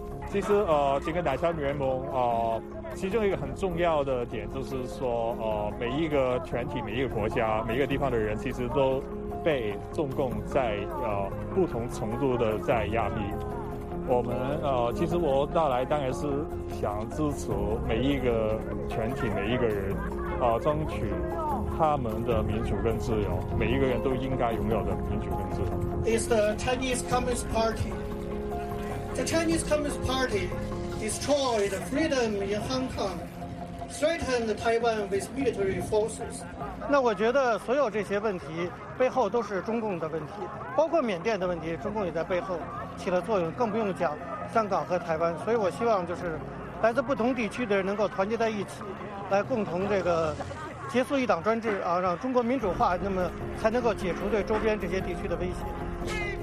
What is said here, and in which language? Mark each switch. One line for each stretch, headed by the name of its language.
Chinese: 其实整个奶茶联盟其中一个很重要的点就是说每一个团体、每一个国家、每一个地方的人其实都被中共在不同程度的在压抑。我们其实我到来当然是想支持每一个团体、每一个人争取他们的民主跟自由，每一个人都应该拥有的民主跟自由。
English: It's the Chinese Communist Party. The Chinese Communist Party destroyed freedom in Hong Kong, threatened Taiwan with military forces.
Chinese: 那我觉得所有这些问题背后都是中共的问题，包括缅甸的问题，中共也在背后起了作用，更不用讲香港和台湾。所以我希望就是来自不同地区的人能够团结在一起，来共同这个结束一党专制啊，让中国民主化，那么才能够解除对周边这些地区的威胁。